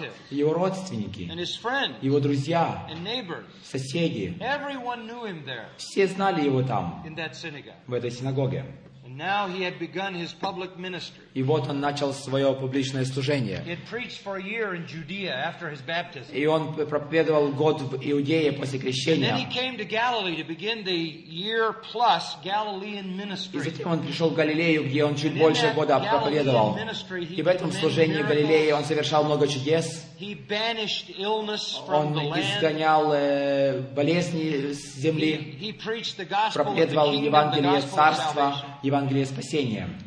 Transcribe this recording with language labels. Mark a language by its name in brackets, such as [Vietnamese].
[Russian] Его родственники. Его друзья. Соседи. Все знали его там, в этой синагоге. [English] Now he had begun his public ministry. [Russian] И вот он начал свое публичное служение. [English] He had preached for a year in Judea after his baptism. [Russian] И он проповедовал год в Иудее после крещения. [English] And then he came to Galilee to begin the year plus Galilean ministry. [Russian] И затем он пришел в Галилею, где он чуть больше года проповедовал. [English] Galilean ministry, he [Russian] И в этом служении в Галилее он совершал много чудес. [English] He banished illness from the land. [Russian] Он изгонял болезни с земли. [English] He preached the gospel. [Russian] Проповедовал Евангелие Царства. Евангелие спасения.